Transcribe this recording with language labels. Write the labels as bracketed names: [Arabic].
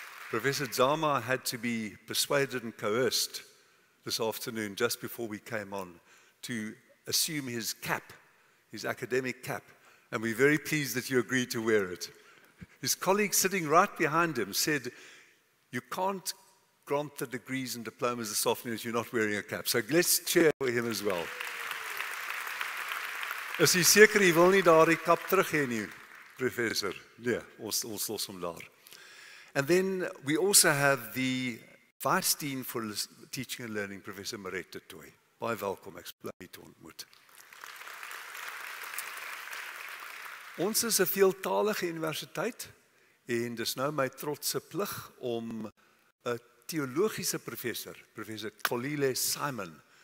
[English] Professor Dahmer had to be persuaded and coerced this afternoon, just before we came on, to assume his cap, his academic cap, and we're very pleased that you agreed to wear it. His colleague sitting right behind him said, you can't grant the degrees and diplomas this afternoon if you're not wearing a cap. So let's cheer for him as well. [Afrikaans] Is hy seker hy wil nie daar die kap terug hê nie, professor? Nee, ons los hom daar. [English] And then we also have the vice dean for teaching and learning, Professor Marette de Tooy. [Afrikaans] Baie welkom, ek bly om u te ontmoet. Ons is 'n veeltalige universiteit en dis nou my trotse plig om 'n teologiese professor, Professor Kolile Simon,